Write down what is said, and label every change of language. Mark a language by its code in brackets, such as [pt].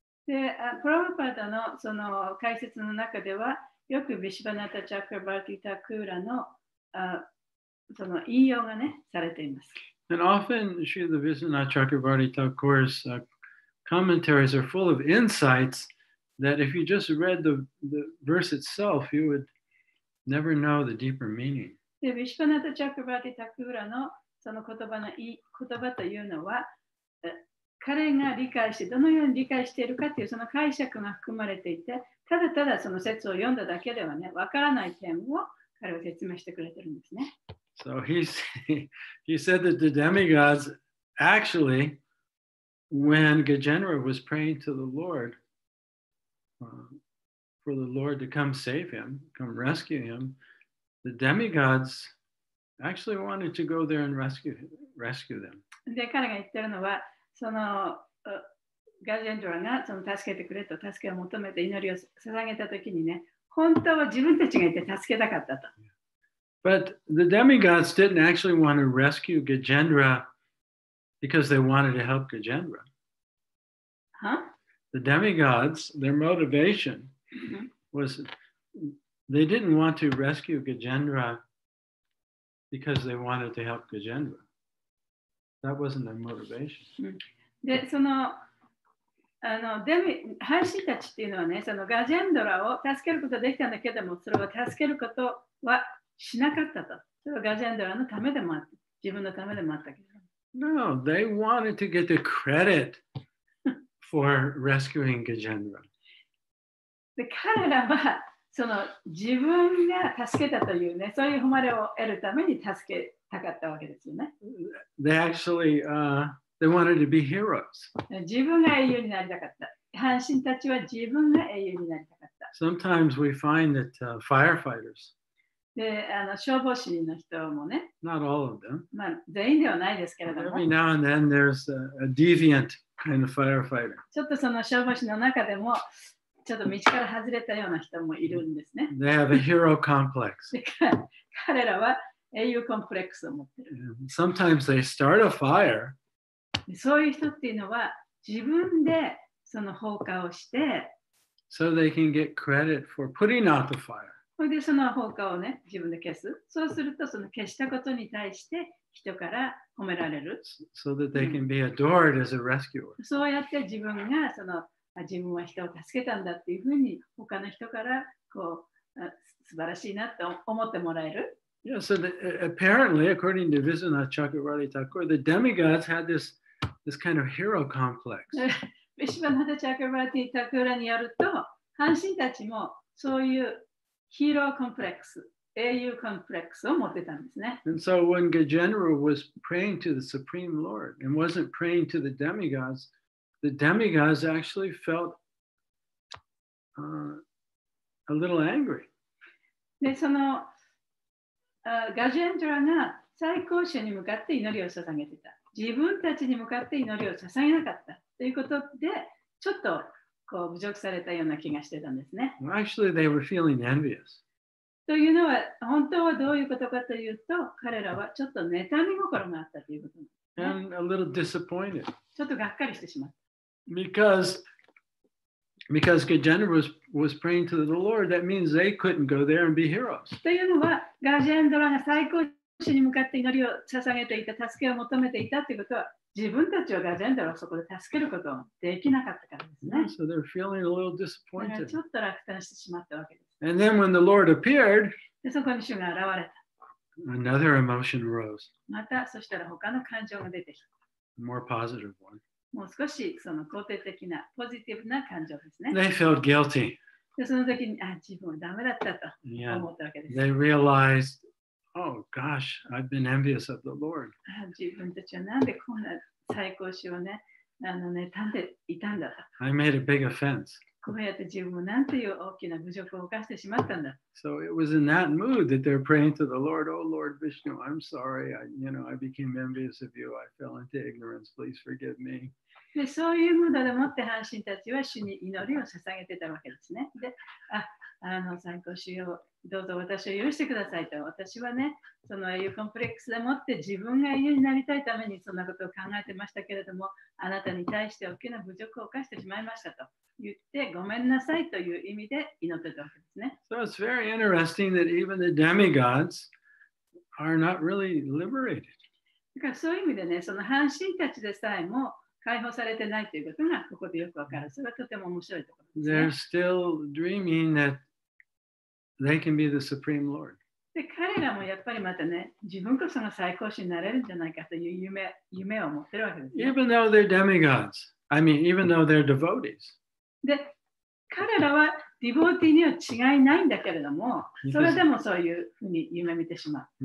[ja] Prabhupada のその解説の中では、よく Vishwanath Chakravarti Thakur のその引用がね、されています。 [en] And often, Srila Vishwanath Chakravarti Thakur's commentaries are full of insights that if you just read the verse itself, you would never know the deeper meaning. [ja] で、ヴィシュヴァナタ・チャクラヴァルティ・タクーラのその言葉というのは、彼が理解して、どのように理解しているかというその解釈が含まれていて、ただただその説を読んだだけではね、わからない点を彼は説明してくれてるんですね。 [en] So he said that the demigods actually,When Gajendra was praying to the Lord, for the Lord to come save him, come rescue him, the demigods actually wanted to go there and rescue them. [ja] で、彼が言ってるのは、その、ガジェンドラがその助けてくれと助けを求めて祈りを捧げたときにね、本当は自分たちがいて助けたかったと。 [en] But the demigods didn't actually want to rescue Gajendra. Because they wanted to help Gajendra. Huh? The demigods, their motivation was they didn't want to rescue Gajendra because they wanted to help Gajendra. That wasn't their motivation. [ja] で、その、あの、半神たちっていうのはね、そのガジェンドラを助けることができたんだけども、それを助けることはしなかったと。それはガジェンドラのためでもあった。自分のためでもあったけど。 [en] No, they wanted to get the credit for rescuing Gajendra. [ja] で、彼らはその自分が助けたというね、そういう誉れを得るために助けたかったわけですよね。 [en] They actually, they wanted to be heroes. [ja] 自分が英雄になりたかった。阪神たちは自分が英雄になりたかった。 [en] Sometimes we find that firefighters. [ja] で、あの消防士の人もね。 [en] Not all of them. [ja] まあ全員ではないですけれども。 [en] Every now and then there's a deviant kind of firefighter. [ja] ちょっとその消防士の中でも。ちょっと道から外れたような人もいるんですね。 [en] They have a hero complex. [ja] 彼らは英雄コンプレックスを持ってる。 [en] Sometimes they start a fire. [ja] そういう人っていうのは自分でその放火をして、 [en] so they can get credit for putting out the fire. [ja] それでその放火をね、自分で消す。そうするとその消したことに対して人から褒められる。 [en] So that they can be adored as a rescuer. [ja] そうやって自分がその自分は人を助けたんだっていうふうに他の人からこう素晴らしいなと思ってもらえる。 [en] Yeah, so the, apparently, according to Vishnu Chakravarti Thakur, the demigods had this kind of hero complex. [ja] Vishvanatha Chakravarti Thakura によると、半神たちもそういうヒーローコンプレックス、英雄コンプレックスを持ってたんですね。 [en] And so when Gajendra was praying to the Supreme Lord and wasn't praying to the demigods,The demigods actually felt a little angry. [ja] で、その、ガジェンドラが最高神に向かって祈りを捧げてた。自分たちに向かって祈りを捧げなかったということで、ちょっとこう侮辱されたような気がしてたんですね。 [en] Well, actually, they were feeling envious. [ja] というのは、本当はどういうことかというと、彼らはちょっと妬み心があったということ、ね。 [en] And a little disappointed. [ja] ちょっとがっかりしてしまった。 [en] Because Gajendra was praying to the Lord, that means they couldn't go there and be heroes. [ja] というのは、ガジェンドラが最高神に向かって祈りを捧げていた、助けを求めていたということは、自分たちはガジェンドラをそこで助けることができなかったからですね。 [en] So they're feeling a little disappointed. [ja] ちょっと落胆してしまったわけです。 [en] And then when the Lord appeared, [ja] でそこに主が現れた。 [en] Another emotion arose. [ja] またそしたら他の感情が出てきた。 [en] More positive one. [ja] もう少しその肯定的なポジティブな感情ですね。 [en] They felt guilty. [ja] でその時にあ自分はダメだったと思ったわけです。 [en] Yeah. They realized, oh gosh, I've been envious of the Lord. [ja] 自分たちはなんでこんな最高主をね、あのね、妬んでいたんだと。 [en] I made a big offense. [ja] こうやって自分もなんていう大きな侮辱を犯してしまったんだ。 [en] So it was in that mood that they're praying to the Lord, Oh Lord Vishnu, I'm sorry, I became envious of you, I fell into ignorance, please forgive me. [ja] でそういうムードでもって阪神たちは主に祈りを捧げてたわけですね。で、あの最高主よ、どうぞ私を許してくださいと。私はね、その英雄コンプレックスでもって自分が英雄になりたいためにそんなことを考えてましたけれども、あなたに対して大きな侮辱を犯してしまいましたと。言ってごめんなさいという意味で祈ってたわけですね。 [en] So it's very interesting that even the demigods are not really liberated. [ja] だからそういう意味でね、その半神たちでさえも解放されてないということがここでよくわかる。それはとても面白いところですね。 [en] They're still dreaming that they can be the supreme lord. [ja] で彼らもやっぱりまたね、自分こそが最高神になれるんじゃないかという夢を持ってるわけですね。 [en] Even though they're demigods, I mean, even though they're devotees. [ja] で彼らはディボーティーには違いないんだけれども、それでもそういうふうに夢見てしまう。